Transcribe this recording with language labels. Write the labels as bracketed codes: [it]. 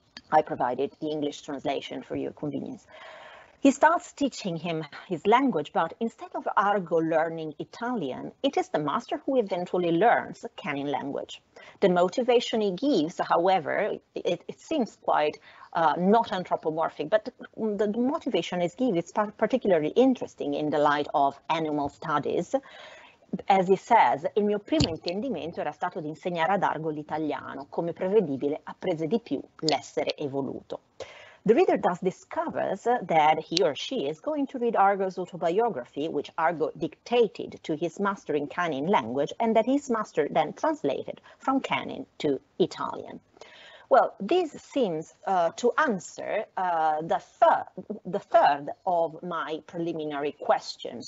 [en] I provided the English translation for your convenience. He starts teaching him his language, but instead of Argo learning Italian, it is the master who eventually learns canine language. The motivation he gives, however, it seems quite not anthropomorphic, but the motivation he gives is particularly interesting in the light of animal studies. As he says, [it] il mio primo intendimento era stato di insegnare ad Argo l'italiano. Come prevedibile, apprese di più l'essere evoluto. [en] The reader thus discovers that he or she is going to read Argo's autobiography, which Argo dictated to his master in canine language, and that his master then translated from canine to Italian. Well, this seems to answer the third of my preliminary questions.